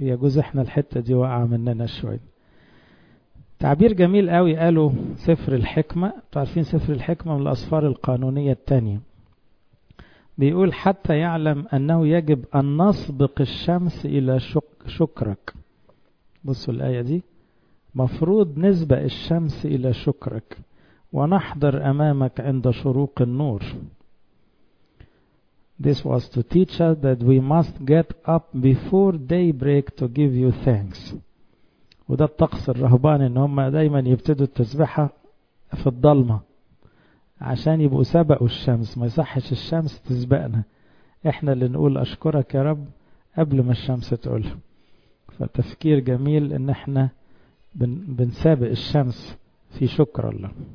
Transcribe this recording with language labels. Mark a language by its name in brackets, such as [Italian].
[Arabic] يا جوز إحنا الحتة دي وقع مننا شوي. تعبير جميل قوي قاله سفر الحكمة، تعرفين سفر الحكمة من الأسفار القانونية التانية، بيقول حتى يعلم أنه يجب أن نسبق الشمس إلى شكرك. بصوا الآية دي، مفروض نسبق الشمس إلى شكرك ونحضر أمامك عند شروق النور. [English] This was to teach us that we must get up before daybreak to give you thanks. [Arabic] وده الطقس الرهبان، إن هم دايما يبتدوا التسبحة في الضلمة عشان يبقوا سبقوا الشمس، ما يصحش الشمس تسبقنا، احنا اللي نقول أشكرك يا رب قبل ما الشمس تقولها. فتفكير جميل إن احنا بنسابق الشمس في شكر الله.